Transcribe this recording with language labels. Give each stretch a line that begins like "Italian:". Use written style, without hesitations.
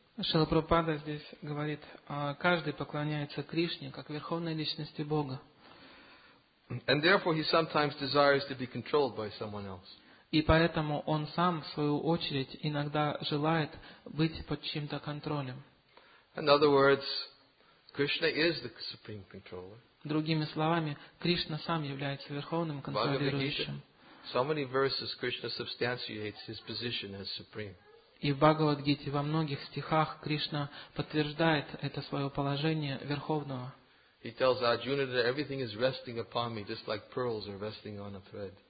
Russian: Шрила Прабхупада здесь говорит, каждый поклоняется Кришне как верховной личности Бога.
English: And therefore he sometimes desires to be controlled by someone else.
Russian: И поэтому он сам, в свою очередь, иногда желает быть под чьим-то контролем.
English: In other words, Krishna is the supreme controller.
Russian: Другими словами, Кришна сам является верховным контролирующим.
English: So many verses Krishna substantiates his position as supreme.
Russian: И в Бхагавад-гите во многих стихах Кришна подтверждает это свое положение верховного.
English: He tells Arjuna that everything is resting upon me, just like pearls are resting on a thread.